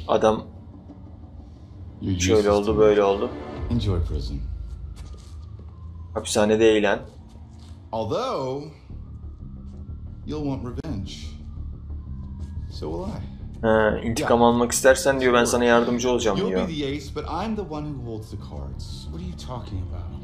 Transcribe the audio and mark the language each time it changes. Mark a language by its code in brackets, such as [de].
[tr] Adam şöyle oldu, böyle oldu. [en] Enjoy prison. [tr] Hapishanede eğlen. [en] Although you'll want revenge. So will I. [tr] İntikam almak istersen diyor ben sana yardımcı olacağım diyor. [en] You'll be the ace, but I'm the one who holds the cards. What are you talking about?